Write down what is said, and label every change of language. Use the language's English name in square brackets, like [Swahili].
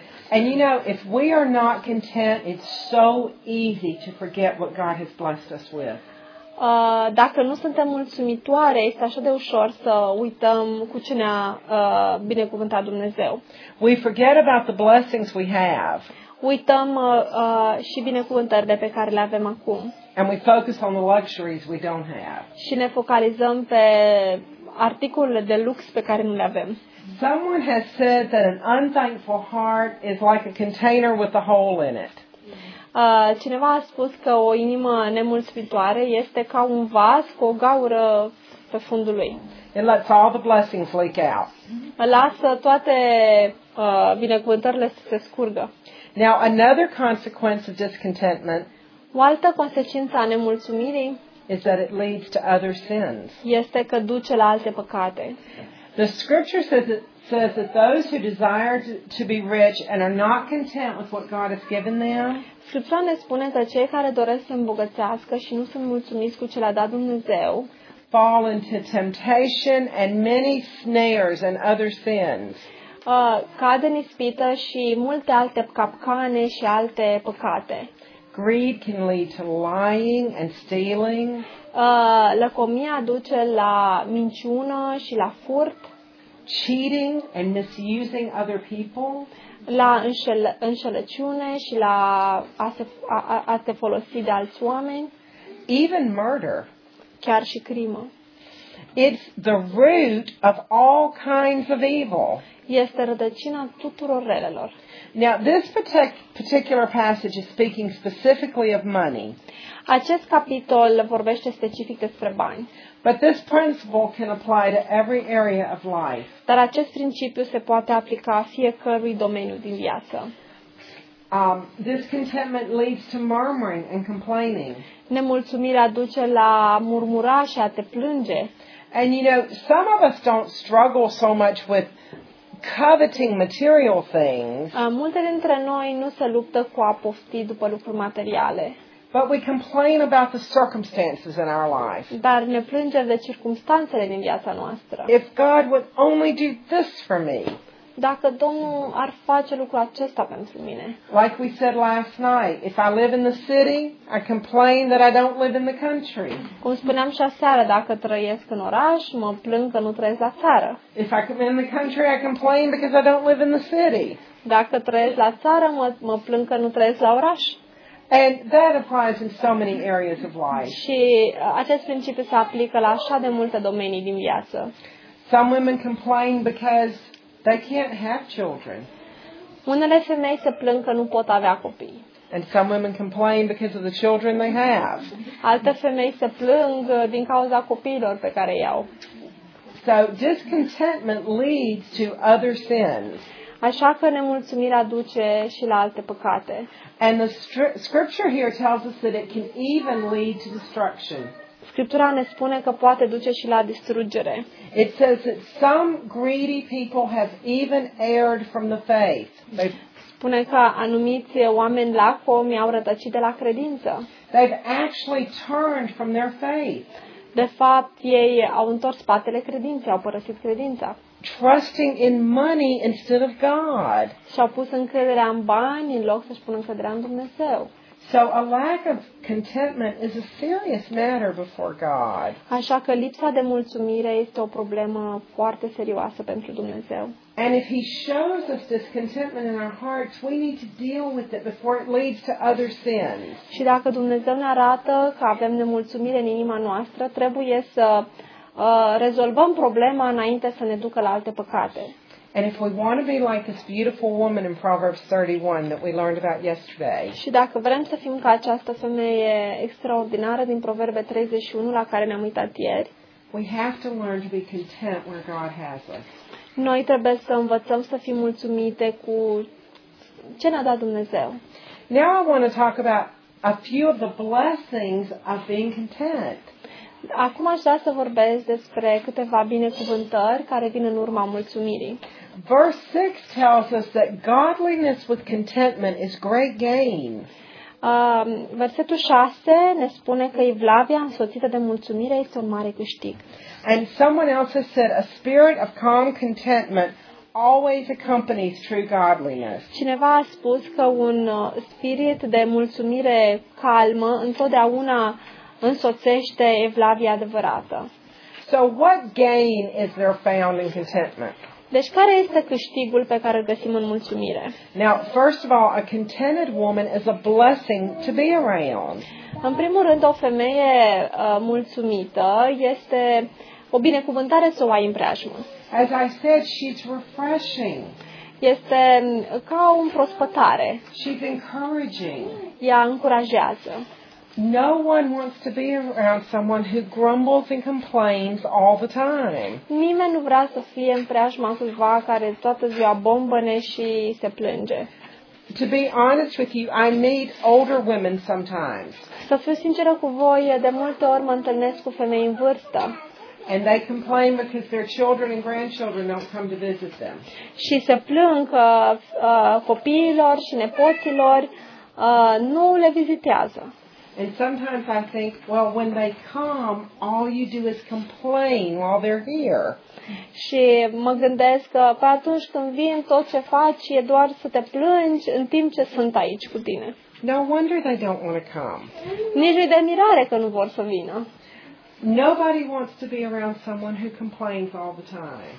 [English] And you know, if we are not content, it's so easy to forget what God has blessed us with. [Romanian] Dacă nu suntem mulțumitoare, este așa de ușor să uităm cu ce ne-a binecuvântat Dumnezeu. [English] We forget about the blessings we have. [Romanian] Uităm și binecuvântările pe care le avem acum. [English] And we focus on the luxuries we don't have. [Romanian] Și ne focalizăm pe articolele de lux pe care nu le avem. [English] Someone has said that an unthankful heart is like a container with a hole in it. [Romanian] Cineva a spus că o inimă nemulțumitoare este ca un vas cu o gaură pe fundul lui. [English] It lets all the blessings leak out. [Romanian] Lasă toate binecuvântările să se scurgă. [English] Now, another consequence of discontentment, [Romanian] o altă consecință a nemulțumirii [English] is that it leads to other sins. [Romanian] Este că duce la alte păcate. [English] The scripture says that those who desire to be rich and are not content with what God has given them. [Romanian] Scriptura ne spune că cei care doresc să îmbogățească și nu sunt mulțumiți cu ce le-a dat Dumnezeu [English] fall into temptation and many snares and other sins. [Romanian] Cad în ispită și multe alte capcane și alte păcate. [English] Greed can lead to lying and stealing. [Romanian] Lăcomia duce la minciună și la furt. [English] Cheating and misusing other people. [Romanian] La înșelăciune și la a te folosi de alți oameni. [English] Even murder. [Romanian] Chiar și crimă. [English] It's the root of all kinds of evil. [Romanian] Este rădăcina tuturor relelor. [English] Now, this particular passage is speaking specifically of money. [Romanian] Acest capitol vorbește specific despre bani. [English] But this principle can apply to every area of life. [Romanian] Dar acest principiu se poate aplica fiecărui domeniu din viață. [English] Discontentment leads to murmuring and complaining. [Romanian] Nemulțumirea duce la murmura și a te plânge. [English] And you know, some of us don't struggle so much with coveting material things. [Romanian] Multe dintre noi nu se luptă cu a pofti după lucruri materiale. [English] But we complain about the circumstances in our life. [Romanian] Dar ne plângem de circumstanțele din viața noastră. [English] If God would only do this for me. [Romanian] Dacă Domnul ar face lucrul acesta pentru mine. [English] Like we said last night, if I live in the city, I complain that I don't live in the country. [Romanian] Cum spuneam și aseară, dacă trăiesc în oraș, mă plâng că nu trăiesc la țară. [English] If I live in the country, I complain because I don't live in the city. [Romanian] Dacă trăiesc la țară, mă plâng că nu trăiesc la oraș. [English] And that applies in so many areas of life. [Romanian] Și acest principiu se aplică la așa de multe domenii din viață. [English] Some women complain because they can't have children. [Romanian] Unele femei se plâng că nu pot avea copii. [English] And some women complain because of the children they have. [Romanian] Alte femei se plâng din cauza copiilor pe care i-au. [English] So discontentment leads to other sins. [Romanian] Așa că nemulțumirea duce și la alte păcate. [English] And the scripture here tells us that it can even lead to destruction. [Romanian] Scriptura ne spune că poate duce și la distrugere. [English] It says that some greedy people have even erred from the faith. [Romanian] Spune că anumiți oameni lacomi au rătăcit de la credință. [English] They've actually turned from their faith. [Romanian] De fapt, ei au întors spatele credinței, au părăsit credința. [English] Trusting in money instead of God. [Romanian] Și-au pus încrederea în bani în loc să-și pună încrederea în Dumnezeu. [English] So a lack of contentment is a serious matter before God. [Romanian] Așa că lipsa de mulțumire este o problemă foarte serioasă pentru Dumnezeu. [English] And if he shows us discontentment in our hearts, we need to deal with it before it leads to other sins. [Romanian] Și dacă Dumnezeu ne arată că avem nemulțumire în inima noastră, trebuie să rezolvăm problema înainte să ne ducă la alte păcate. [English] And if we want to be like this beautiful woman in Proverbs 31 that we learned about yesterday. [Romanian] Și dacă vrem să fim ca această femeie extraordinară din Proverbe 31 la care ne-am uitat ieri. [English] We have to learn to be content where God has us. [Romanian] Noi trebuie să învățăm să fim mulțumite cu ce ne-a dat Dumnezeu. [English] Now I want to talk about a few of the blessings of being content. [Romanian] Acum aș vrea să vorbesc despre câteva binecuvântări care vin în urma mulțumirii. [English] Verse 6 tells us that godliness with contentment is great gain. [Romanian] Versetul 6 ne spune că evlavia însoțită de mulțumire este un mare câștig. [English] And someone else has said a spirit of calm contentment always accompanies true godliness. [Romanian] Cineva a spus că un spirit de mulțumire calmă întotdeauna însoțește evlavia adevărată. [English] So what gain is there found in contentment? [Romanian] Deci care este câștigul pe care îl găsim în mulțumire? [English] Now, first of all, a contented woman is a blessing to be around. [Romanian] În primul rând, o femeie mulțumită este o binecuvântare să o ai în preajmă. [English] As I said, she's refreshing. [Romanian] Este ca o împrospătare. [English] She's encouraging. [Romanian] Ea încurajează. [English] No one wants to be around someone who grumbles and complains all the time. [Romanian] Nimeni nu vrea să fie în preajma cuiva care toată ziua bombăne și se plânge. [English] To be honest with you, I meet older women sometimes. [Romanian] Să fiu sinceră cu voi, de multe ori mă întâlnesc cu femei în vârstă. [English] And they complain because their children and grandchildren don't come to visit them. [Romanian] Și se plâng că copiilor și nepoților nu le vizitează. [English] And sometimes I think, well, when they come, all you do is complain while they're here. [Romanian] Și mă gândesc că pe atunci când vin, tot ce faci e doar să te plângi în timp ce sunt aici cu tine. [English] No wonder they don't want to come. [Romanian] Nici de mirare că nu vor să vină. [English] Nobody wants to be around someone who complains all the time.